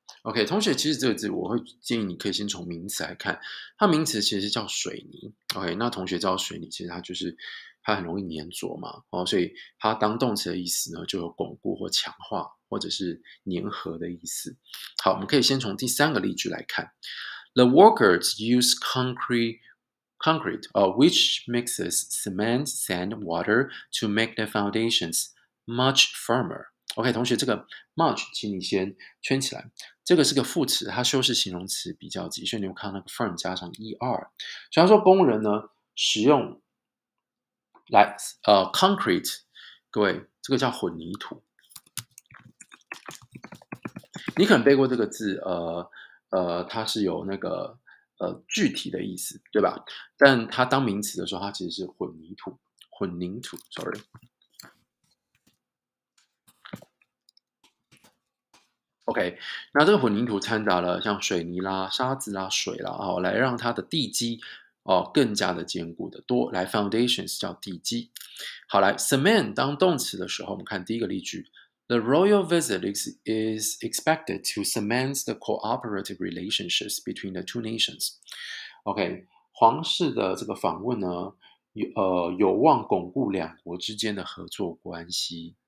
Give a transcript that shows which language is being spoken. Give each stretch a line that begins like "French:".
Chinese: OK， 同学，其实这个字我会建议你可以先从名词来看，它名词其实叫水泥。 OK， 那同学知道水泥，其实它就是它很容易粘着嘛，哦，所以它当动词的意思呢，就有巩固或强化。或者是粘合的意思。好，我们可以先从第三个例句来看。
English: The workers use concrete, which mixes cement, sand, water to make the foundations much firmer.
Chinese: OK, 同学，这个 much 请你先圈起来。这个是个副词，它修饰形容词比较级，所以你有看到那个 firm 加上 er。所以他说工人呢使用来concrete, 各位，这个叫混凝土。你可能背过这个字，它是有那个具体的意思，对吧？但它当名词的时候，它其实是混凝土，混凝土 ，sorry。 OK， 那这个混凝土掺杂了像水泥啦、沙子啦、水啦，哦，来让它的地基哦更加的坚固的多。来 ，foundations 叫地基。好，来 ，cement 当动词的时候，我们看第一个例句。
English: The royal visit is expected to cement the cooperative relationships between the two nations.
Chinese: OK, 皇室的这个访问呢，有望巩固两国之间的合作关系。